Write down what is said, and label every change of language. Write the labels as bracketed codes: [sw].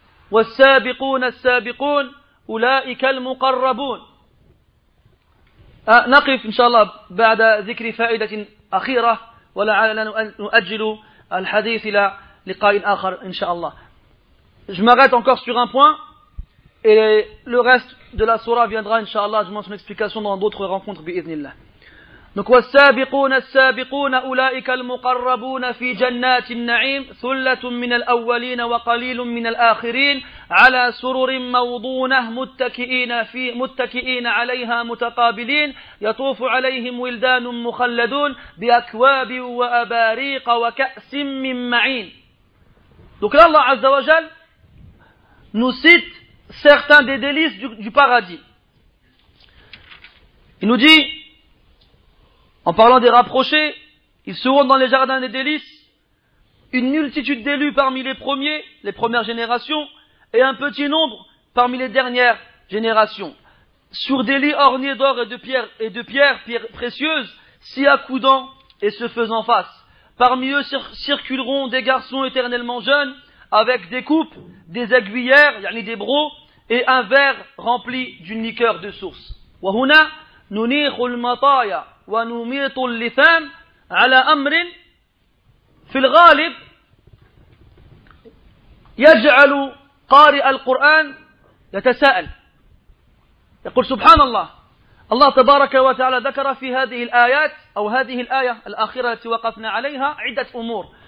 [ar] والسابقون السابقون أولئك المقربون. نقف إن شاء الله بعد ذكر فائدة أخيرة ولعلنا نؤجل الحديث إلى لقاء آخر إن شاء الله. [fr] Je m'arrête encore sur un point et le reste de la sourate viendra إن شاء الله. Je demande son explication dans d'autres rencontres بإذن الله. [ar] Donc والسابقون السابقون أولئك المقربون في جنات النعيم ثلة من الأولين وقليل من الآخرين على سرر موضونة متكئين عليها متقابلين يطوف عليهم ولدان مخلدون بأكواب وأباريق وكأس من معين. [fr] Donc là Allah عز وجل nous cite certains des délices du paradis. Il nous dit, en parlant des rapprochés, ils seront dans les jardins des délices, une multitude d'élus parmi les premiers, les premières générations, et un petit nombre parmi les dernières générations. Sur des lits ornés d'or et de pierres précieuses, s'y accoudant et se faisant face. Parmi eux circuleront des garçons éternellement jeunes, avec des coupes, des aiguillères, yani des brocs, et un verre rempli d'une liqueur de source. [ar] Wahuna, nunikhu al-mataya. ونميط اللثام على أمر في الغالب يجعل قارئ القرآن يتساءل. يقول سبحان الله، الله تبارك وتعالى ذكر في هذه الآيات أو هذه الآية الأخيرة التي وقفنا عليها عدة أمور.